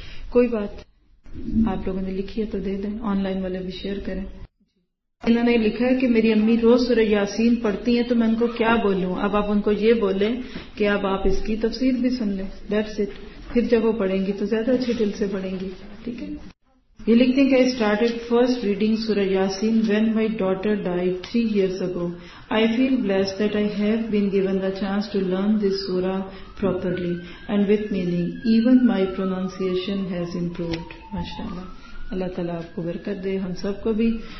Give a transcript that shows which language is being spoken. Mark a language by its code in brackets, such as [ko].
[ur] کوئی بات آپ لوگوں نے لکھی ہے تو دے دیں, آن لائن والے بھی شیئر کریں. انہوں نے لکھا ہے کہ میری امی روز سورہ یاسین پڑھتی ہیں تو میں ان کو کیا بولوں, اب آپ ان کو یہ بولیں کہ اب آپ اس کی تفسیر بھی سن لیں, [en] that's it, [ur] پھر جب وہ پڑھیں گی تو زیادہ اچھے دل سے پڑھیں گی. ٹھیک ہے, یہ لکھتے ہیں کہ [en] I started first reading سورہ یاسین when my daughter died 3 years ago. I feel blessed that I have been given the chance to learn this surah properly and with meaning. Even my pronunciation has improved. [ar] MashaAllah. [ur] اللہ تعالیٰ آپ کو برکت دے, ہم سب کو بھی.